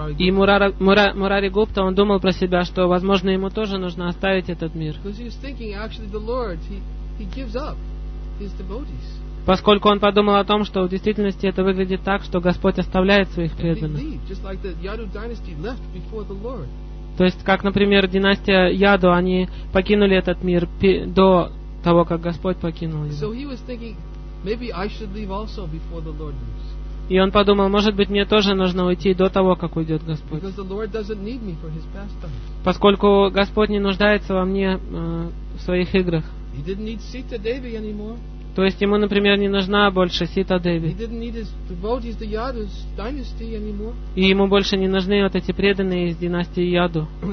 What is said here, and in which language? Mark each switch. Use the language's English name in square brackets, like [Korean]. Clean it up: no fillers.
[Russian] Мурари Гупта, он думал про себя, что, возможно, ему тоже нужно оставить этот мир. [English] Because he was thinking actually the Lord, he gives up his devotees. [Russian] Поскольку он подумал о том, что в действительности это выглядит так, что Господь оставляет своих преданных. [English] And he left, just like the Yadu dynasty left before the Lord. [Russian] То есть, как, например, династия Яду, они покинули этот мир до того, как Господь покинул его. [English] So he was thinking, maybe I should leave also before the Lord leaves. [Russian] И он подумал, может быть, мне тоже нужно уйти до того, как уйдет Господь. [English] Because the Lord doesn't need me for his pastimes. [Russian] Поскольку Господь не нуждается во мне в своих играх. [English] He didn't need Sita Devi anymore. [Russian] То есть ему, например, не нужна больше Сита Деви. [English] He didn't need his devotees, the Yadu's dynasty anymore. [Russian] И ему больше не нужны вот эти преданные из династии Яду.